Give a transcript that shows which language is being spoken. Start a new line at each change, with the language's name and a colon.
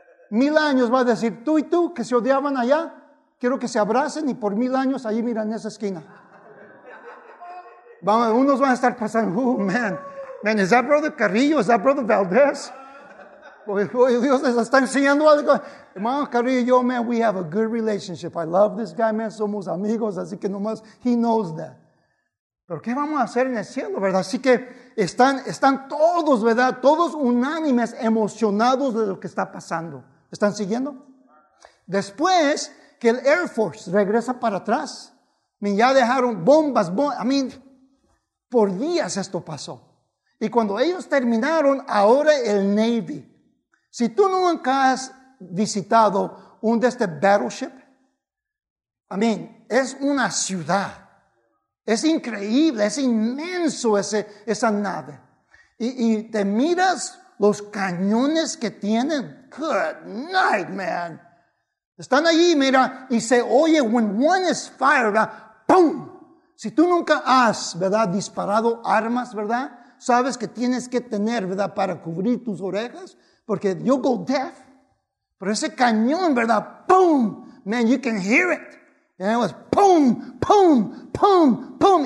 Spanish: 1,000 años va a decir, tú y tú que se odiaban allá, quiero que se abracen y por 1,000 años ahí miran en esa esquina. Unos van a estar pensando,
English: oh man, man, is that brother Carrillo? Is that brother Valdez? Boy,
Spanish: Dios les está enseñando algo.
English: Hermano Carrillo, yo, man, we have a good relationship. I love this guy, man,
Spanish: somos amigos, así que nomás,
English: he knows that.
Spanish: ¿Pero qué vamos a hacer en el cielo, verdad? Así que están todos, ¿verdad? Todos unánimes, emocionados de lo que está pasando. ¿Están siguiendo? Después que el Air Force regresa para atrás, ya dejaron bombas, por días esto pasó. Y cuando ellos terminaron, ahora el Navy. Si tú nunca has visitado un de este battleship, es una ciudad. Es increíble, es inmenso esa nave. Y te miras los cañones que tienen.
English: Good night, man.
Spanish: Están allí, mira, y se oye,
English: when one is fired,
Spanish: ¡pum! Si tú nunca has, ¿verdad?, disparado armas, ¿verdad?, sabes que tienes que tener, ¿verdad?, para cubrir tus orejas, porque
English: you go deaf.
Spanish: Pero ese cañón, ¿verdad?, ¡pum!
English: Man, you can hear it. And it was boom, boom, boom, boom.